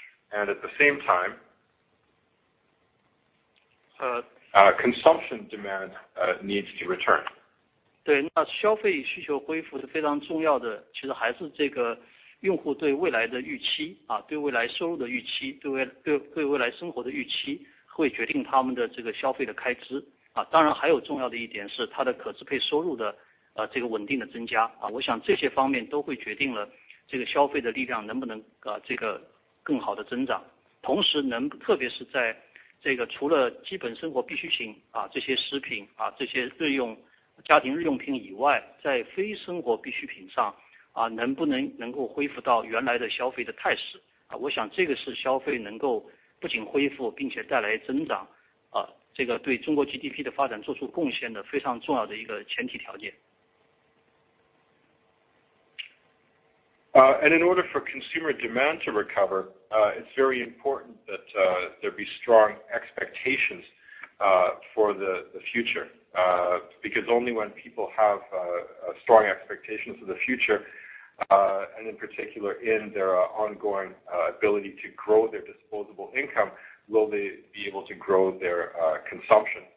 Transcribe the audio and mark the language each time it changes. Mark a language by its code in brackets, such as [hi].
[en] And at the same time, consumption demand needs to return. [zh] 对，那消费需求恢复是非常重要的，其实还是这个用户对未来的预期啊，对未来收入的预期，对未来生活的预期，会决定他们的这个消费的开支啊。当然，还有重要的一点是它的可支配收入的这个稳定的增加啊。我想这些方面都会决定了。这个消费的力量能不能这个更好的增长，同时能特别是在这个除了基本生活必需品啊这些食品啊这些日用家庭日用品以外，在非生活必需品上啊能够恢复到原来的消费的态势啊，我想这个是消费能够不仅恢复并且带来增长啊，这个对中国 GDP 的发展做出贡献的非常重要的一个前提条件。 [en] And in order for consumer demand to recover, it's very important that there be strong expectations for the future. Because only when people have strong expectations of the future, and in particular in their ongoing ability to grow their disposable income, will they be able to grow their consumption.